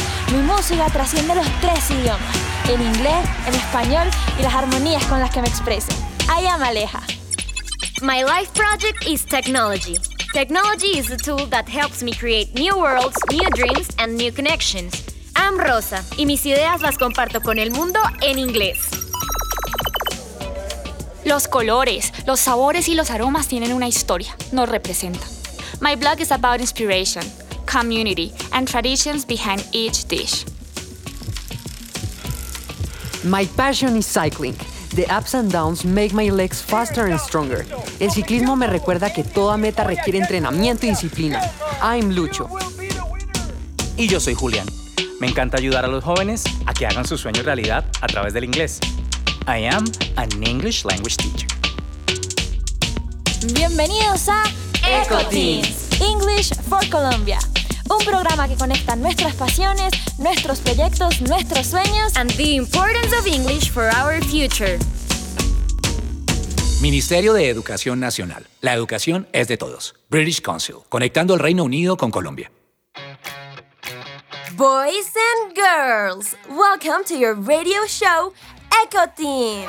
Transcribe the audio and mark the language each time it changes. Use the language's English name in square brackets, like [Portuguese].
[Spanish] Mi música trasciende los tres idiomas, el inglés, el español y las armonías con las que me expreso. [English] I am Aleja. My life project is technology. Technology is a tool that helps me create new worlds, new dreams, and new connections. I'm Rosa, [Spanish] y mis ideas las comparto con el mundo en inglés. Los colores, los sabores y los aromas tienen una historia, nos representan. [English] My blog is about inspiration, community, and traditions behind each dish. My passion is cycling. The ups and downs make my legs faster and stronger. [Spanish] El ciclismo me recuerda que toda meta requiere entrenamiento y disciplina. [English] I'm Lucho. [Spanish] Y yo soy Julián. Me encanta ayudar a los jóvenes a que hagan sus sueños realidad a través del inglés. [English] I am an English language teacher. [Spanish] Bienvenidos a EcoTeens, [English] English for Colombia. [Spanish] Un programa que conecta nuestras pasiones, nuestros proyectos, nuestros sueños [English] and the importance of English for our future. [Spanish] Ministerio de Educación Nacional. La educación es de todos. British Council. Conectando el Reino Unido con Colombia. [English] Boys and girls, welcome to your radio show, EcoTeens.